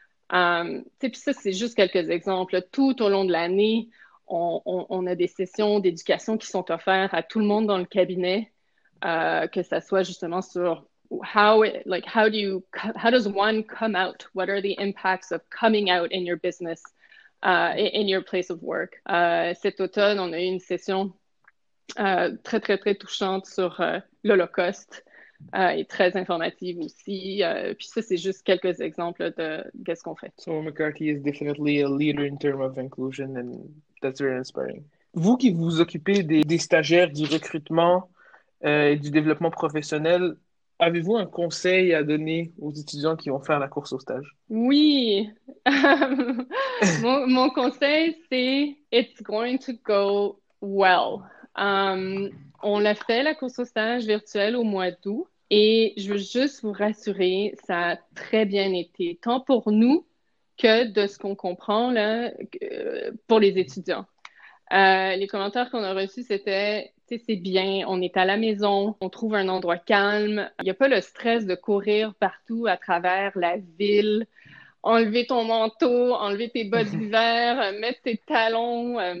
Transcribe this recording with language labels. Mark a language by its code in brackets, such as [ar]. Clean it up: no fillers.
[fr] Ça, c'est juste quelques exemples. Tout au long de l'année, on a des sessions d'éducation qui sont offertes à tout le monde dans le cabinet, que ça soit justement sur [en] how does one come out? What are the impacts of coming out in your business? In your place of work. [fr] Cet automne, on a eu une session très, très, très touchante sur l'Holocauste et très informative aussi. Puis ça, c'est juste quelques exemples de qu'est-ce qu'on fait. [en] So McCarthy is definitely a leader in terms of inclusion, and that's very inspiring. [fr] Vous qui vous occupez des stagiaires, du recrutement et du développement professionnel, Avez-vous un conseil à donner aux étudiants qui vont faire la course au stage? Oui. Mon conseil, c'est [en] it's going to go well. [fr] On l'a fait la course au stage virtuelle au mois d'août et je veux juste vous rassurer, ça a très bien été, tant pour nous que de ce qu'on comprend là, pour les étudiants. Les commentaires qu'on a reçus, c'était, tu sais, c'est bien, on est à la maison, on trouve un endroit calme, il n'y a pas le stress de courir partout à travers la ville, enlever ton manteau, enlever tes bottes d'hiver, mettre tes talons.